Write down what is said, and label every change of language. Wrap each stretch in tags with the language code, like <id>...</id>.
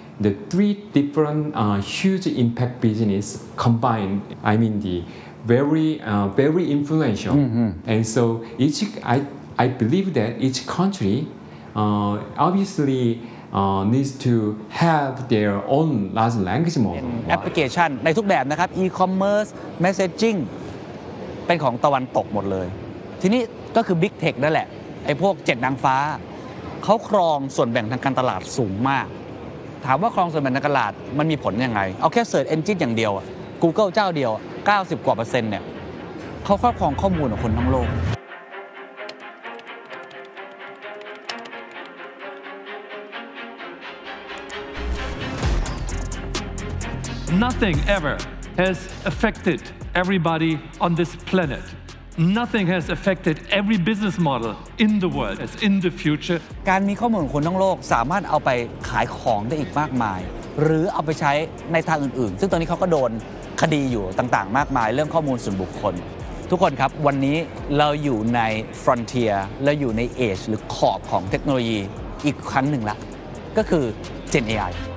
<en>The three different huge impact business combined, I mean the very, very influential. Mm-hmm. And so each, I believe that each country obviously needs to have their own large language model.</en> <th>Application ในทุกแบบนะครับ e-commerce, messaging เป็นของตะวันตกหมดเลยทีนี้ก็คือ Big Tech นั่นแหละไอ้พวกเจ็ดนางฟ้าเขาครองส่วนแบ่งทางการตลาดสูงมากถามว่าครองส่วนแบ่งทางการตลาดมันมีผลยังไงเอาแค่ Search Engine อย่างเดียว Google เจ้าเดียว 90 กว่าเปอร์เซ็นต์เนี่ยเขาครอบครองข้อมูลของคนทั้งโลก</th> <en>Nothing ever has affected everybody on this planet. Nothing has affected every business model in the world as in the future.</en> <th>การมีข้อมูลของคนทั้งโลกสามารถเอาไปขายของได้อีกมากมายหรือเอาไปใช้ในทางอื่นๆซึ่งตอนนี้เขาก็โดนคดีอยู่ต่างๆมากมายเรื่องข้อมูลส่วนบุคคลทุกคนครับวันนี้เราอยู่ใน frontier เราอยู่ใน edge หรือขอบของเทคโนโลยีอีกครั้งหนึ่งละก็คือ Gen AI</th>